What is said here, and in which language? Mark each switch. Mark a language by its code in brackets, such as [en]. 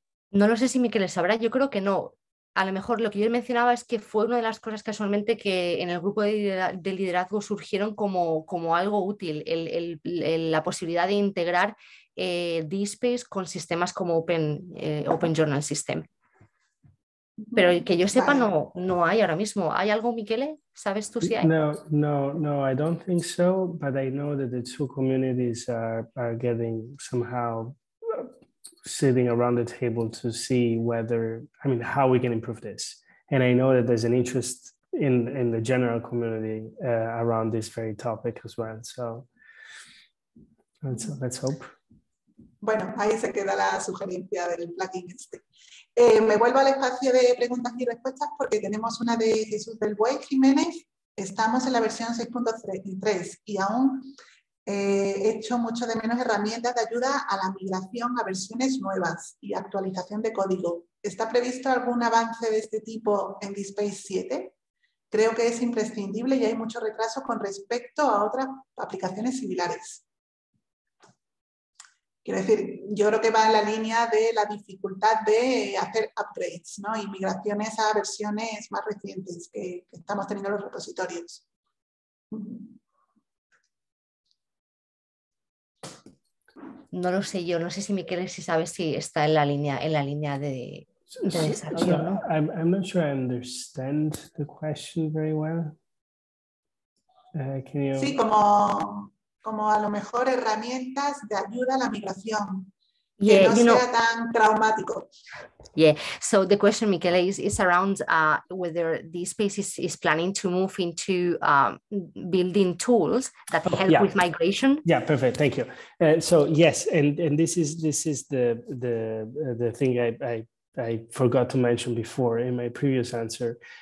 [es] No lo sé si Miquel sabrá, yo creo que no. A lo mejor lo que yo mencionaba es que fue una de las cosas casualmente que en el grupo de liderazgo surgieron como algo útil, la posibilidad de integrar DSpace con sistemas como Open Journal System. Pero que yo sepa, no hay ahora mismo. ¿Hay algo, Michele? ¿Sabes tú si hay? [en] No, I don't think so, but I know that the two communities are getting somehow sitting around the table to see how we can improve this. And I know that there's an interest in the general community around this very topic as well. So let's hope. [es] Bueno, ahí se queda la sugerencia del plugin este. Me vuelvo al espacio de preguntas y respuestas porque tenemos una de Jesús del Buey Jiménez. Estamos en la versión 6.3 y aún echo mucho de menos herramientas de ayuda a la migración a versiones nuevas y actualización de código. ¿Está previsto algún avance de este tipo en DSpace 7? Creo que es imprescindible y hay mucho retraso con respecto a otras aplicaciones similares. Quiero decir, yo creo que va en la línea de la dificultad de hacer upgrades, ¿no? Y migraciones a versiones más recientes que estamos teniendo en los repositorios. No lo sé yo, no sé si Miquel si sabes si está en la línea de desarrollo, ¿no? [en] I'm not sure I understand the question very well. [es] Sí, como a lo mejor herramientas de ayuda a la migración, sea tan traumático. [en] Yeah, so the question, Michele, is around whether DSpace is planning to move into building tools that help with migration. Yeah, perfect. Thank you. So yes, and this is the thing I forgot to mention before in my previous answer.